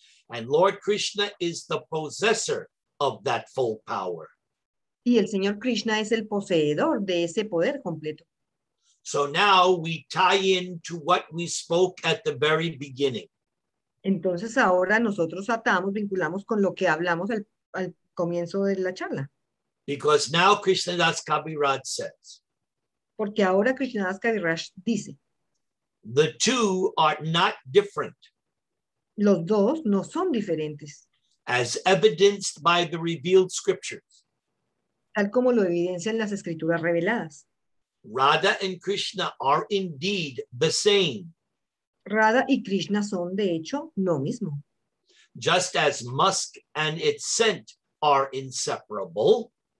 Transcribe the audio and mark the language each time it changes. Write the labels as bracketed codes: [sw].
[en] And Lord Krishna is the possessor of that full power. [es] Y el Señor Krishna es el poseedor de ese poder completo. [en] So now we tie in to what we spoke at the very beginning. [es] Entonces ahora nosotros atamos, vinculamos con lo que hablamos al comienzo de la charla. [en] Because now Krishna Das Kaviraj says. [es] Porque ahora Krishna Das Kaviraj dice. [en] The two are not different. [es] Los dos no son diferentes. [en] As evidenced by the revealed scriptures. [es] Tal como lo evidencian las escrituras reveladas. [en] Radha and Krishna are indeed the same. [es] Radha y Krishna son, de hecho, lo mismo. [en] Just as musk and its scent are inseparable.